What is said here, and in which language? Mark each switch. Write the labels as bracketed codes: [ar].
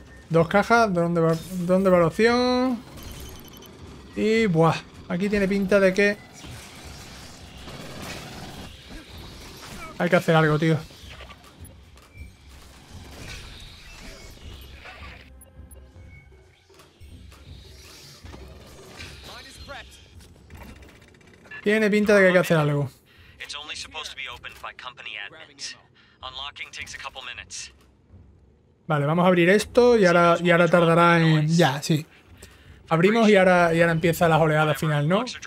[es] Dos cajas, ¿dónde va la opción? Y buah, aquí tiene pinta de que hay que hacer algo, tío. Tiene pinta de que hay que hacer algo. [en] It's only supposed to be opened by company admins. Unlocking takes a couple minutes. [es] Vale, vamos a abrir esto y ahora tardará en... Ya, sí. Abrimos y ahora empieza la oleada final, ¿no?